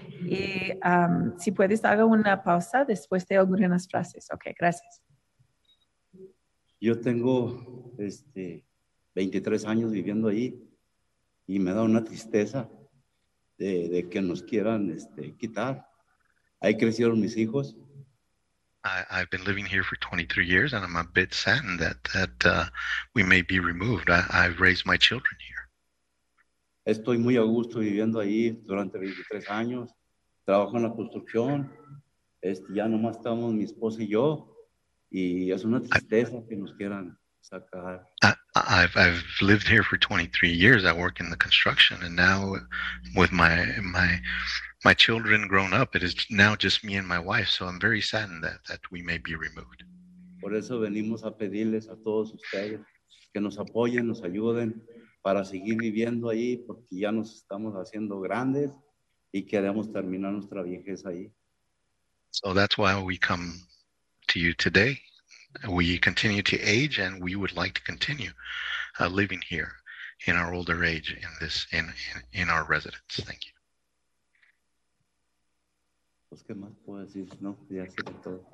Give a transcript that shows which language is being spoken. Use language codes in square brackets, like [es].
[es] Y si puedes, haga una pausa después de algunas frases. Okay, gracias. Yo tengo 23 años viviendo ahí y me da una tristeza de que nos quieran quitar. Ahí crecieron mis hijos. [en] I've been living here for 23 years and I'm a bit saddened that we may be removed. I've raised my children here. [es] Estoy muy a gusto viviendo ahí durante 23 años. Trabajo en la construcción. Ya nomás estamos mi esposa y yo. Y es una tristeza que nos quieran sacar. [en] I've lived here for 23 years. I work in the construction. And now with my children grown up, it is now just me and my wife. So I'm very saddened that we may be removed. [es] Por eso venimos a pedirles a todos ustedes que nos apoyen, nos ayuden. Para seguir viviendo ahí, porque ya nos estamos haciendo grandes y queremos terminar nuestra vejez ahí. [en] So that's why we come to you today. We continue to age and we would like to continue living here in our older age in our residence. Thank you. [es] Pues, ¿qué más puedo decir? No, ya sé de todo.